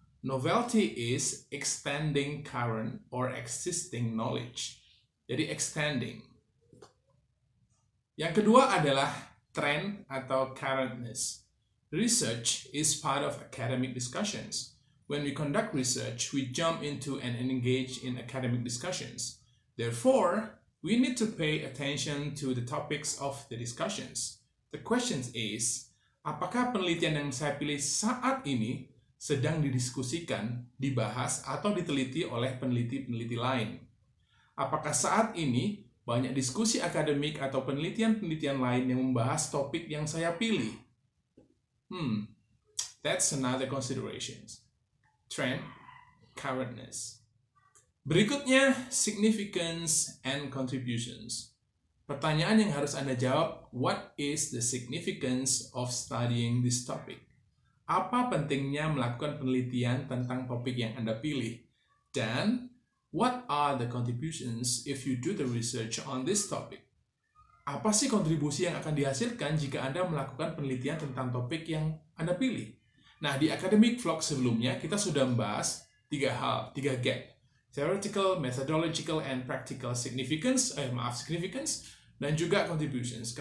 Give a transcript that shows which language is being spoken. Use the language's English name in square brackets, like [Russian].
[English] Novelty is extending current or existing knowledge. [Indonesian] Jadi extending. Yang kedua adalah trend atau currentness. [English] Research is part of academic discussions. When we conduct research, we jump into and engage in academic discussions. Therefore, we need to pay attention to the topics of the discussions. The question is, [Indonesian] apakah penelitian yang saya pilih saat ini sedang didiskusikan, dibahas, atau diteliti oleh peneliti-peneliti lain? Apakah saat ini banyak diskusi akademik atau penelitian-penelitian lain yang membahas topik yang saya pilih? [English] That's another consideration. Trend, currentness. [Indonesian] Berikutnya, [English] significance and contributions. [Indonesian] Pertanyaan yang harus Anda jawab, [English] what is the significance of studying this topic? [Indonesian] Apa pentingnya melakukan penelitian tentang topik yang Anda pilih? Dan, [English] what are the contributions if you do the research on this topic? [Indonesian] Apa sih kontribusi yang akan dihasilkan jika Anda melakukan penelitian tentang topik yang Anda pilih? Nah, di Academic Vlog sebelumnya, kita sudah membahas tiga hal, tiga gap. [English] Theoretical, methodological, and practical significance, significance, [Indonesian] dan juga [English] contributions.